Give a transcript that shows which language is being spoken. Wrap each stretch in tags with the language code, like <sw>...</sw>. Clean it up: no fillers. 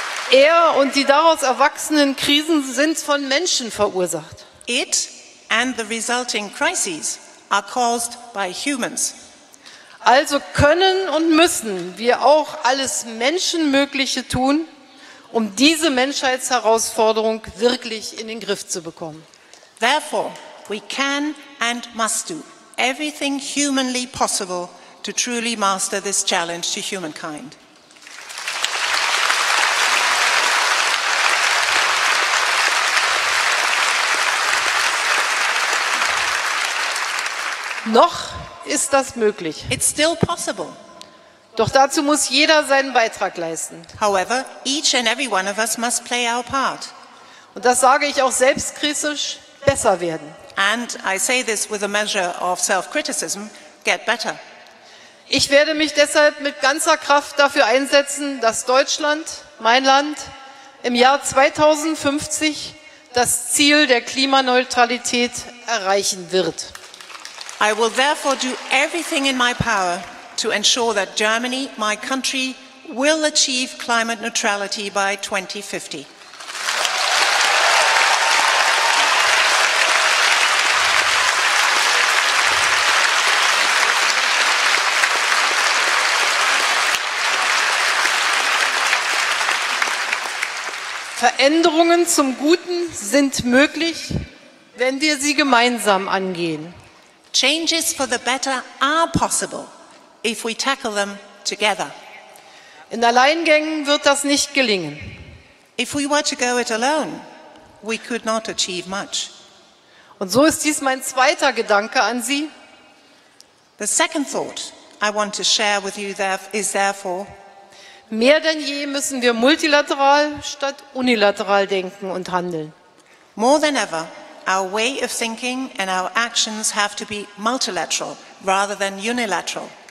<de>Er und die daraus erwachsenen Krisen sind von Menschen verursacht.</de> <en>It and the resulting crises are caused by humans.</en> <de>Also können und müssen wir auch alles Menschenmögliche tun, um diese Menschheitsherausforderung wirklich in den Griff zu bekommen.</de> <en>Therefore, we can and must do everything humanly possible to truly master this challenge to humankind.</en> <de>Noch ist das möglich.</de> <en>It's still possible.</en> <de>Doch dazu muss jeder seinen Beitrag leisten.</de> <en>However, each and every one of us must play our part.</en> <de>Und das sage ich auch selbstkritisch, besser werden.</de> <en>And I say this with a measure of self-criticism, get better.</en> <de>Ich werde mich deshalb mit ganzer Kraft dafür einsetzen, dass Deutschland, mein Land, im Jahr 2050 das Ziel der Klimaneutralität erreichen wird.</de> <en>I will therefore do everything in my power to ensure that Germany, my country, will achieve climate neutrality by 2050.</en> <de>Veränderungen zum Guten sind möglich, wenn wir sie gemeinsam angehen.</de> <en>Changes for the better are possible if we tackle them together.</en> <de>In Alleingängen wird das nicht gelingen.</de> <en>If we were to go it alone, we could not achieve much.</en> <de>Und so ist dies mein zweiter Gedanke an Sie.</de> <en>The second thought I want to share with you is therefore,</en> <de>mehr denn je müssen wir multilateral statt unilateral denken und handeln.</de> <en>More than ever, our way of thinking and our actions have to be multilateral rather than unilateral.</en>